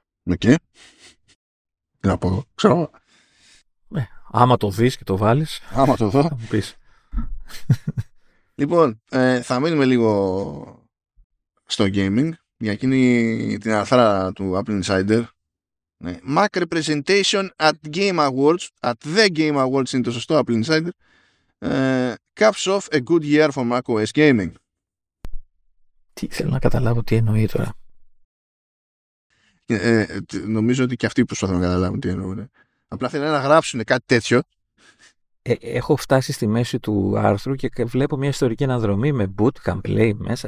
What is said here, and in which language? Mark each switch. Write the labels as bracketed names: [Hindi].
[Greek] Εκεί. Τι να πω εδώ. Ξέρω. Ναι. Άμα το δεις και το βάλεις. Άμα το δω. Θα μου πεις. Λοιπόν, θα μείνουμε λίγο στο gaming. Για εκείνη την αρθρά του Apple Insider. Ναι. [English] Mac representation at Game Awards. At the Game Awards [Greek] είναι το σωστό, [English] Apple Insider. Caps off a good year for macOS gaming. [Greek] Τι θέλω να καταλάβω τι εννοεί τώρα. Νομίζω ότι και αυτοί προσπαθούν να καταλάβουν τι εννοούν. Απλά θέλουν να γράψουν κάτι τέτοιο. Έχω φτάσει στη μέση του άρθρου και βλέπω μια ιστορική αναδρομή με bootcamp, λέει μέσα.